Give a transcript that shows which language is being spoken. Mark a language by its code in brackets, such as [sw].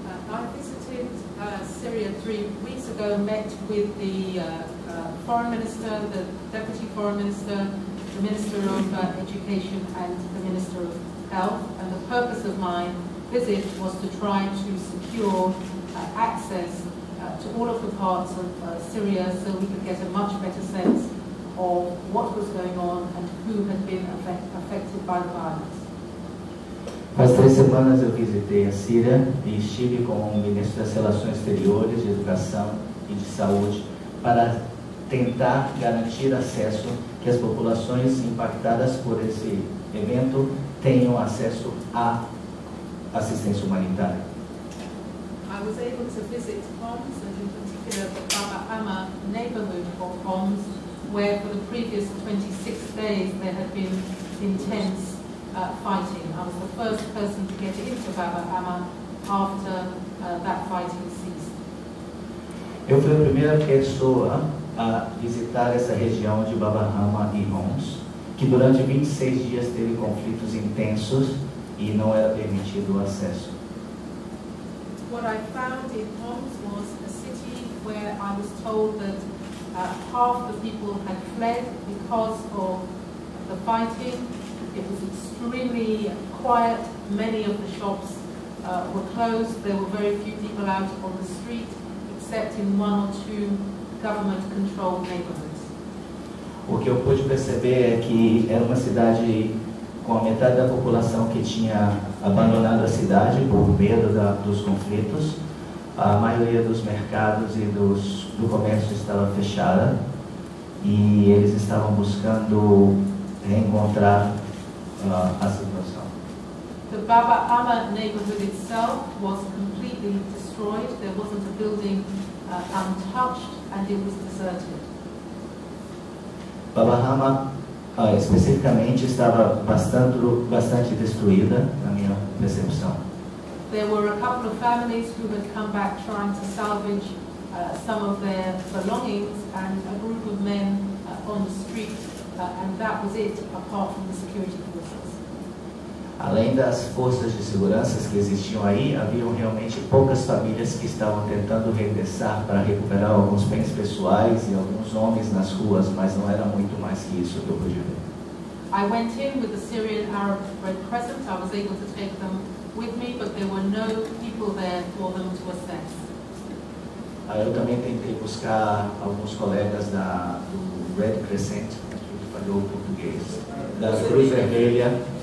[en] 3 weeks ago, met with the foreign minister, the deputy foreign minister, the minister of education, and the minister of health. And the purpose of my visit was to try to secure access to all of the parts of Syria so we could get a much better sense of what was going on and who had been affected by the violence. [pt] Faz 3 semanas eu visitei a Síria e estive com o ministro das Relações Exteriores, de Educação e de Saúde para tentar garantir acesso que as populações impactadas por esse evento tenham acesso à assistência humanitária. [en] I was able to visit Homs, and in particular the Baba Hama neighborhood of Homs, where for the previous 26 days there had been intense fighting. I was the first person to get into Baba Hama after that fighting ceased. [pt] Eu fui a primeira pessoa a visitar essa região de Baba Hama e Homs, que durante 26 dias teve conflitos intensos e não era permitido o acesso. [en] What I found in Homs was a city where I was told that half the people had fled because of the fighting. It was extremely quiet. Many of the shops were closed. There were very few people out on the street, except in one or two government-controlled neighborhoods. [pt] O que eu pude perceber é que era uma cidade com a metade da população que tinha abandonado a cidade por medo dos conflitos. A maioria dos mercados e do comércio estava fechada e eles estavam buscando reencontrar a situação. [en] The Baba Hama neighborhood itself was completely destroyed. There wasn't a building untouched and it was deserted. [pt] Baba Hama especificamente estava bastante destruída, na minha percepção. [en] There were a couple of families who had come back trying to salvage some of their belongings and a group of men on the street, and that was it, apart from the security forces. [pt] Além das forças de segurança que existiam aí, haviam realmente poucas famílias que estavam tentando regressar para recuperar alguns bens pessoais e alguns homens nas ruas, mas não era muito mais que isso que eu podia ver. [en] I went in with the Syrian Arab Red Crescent. I was able to take them with me, but there were no people there for them to assess. [pt] Aí eu também tentei buscar alguns colegas do Red Crescent, que falou português, da Cruz Vermelha.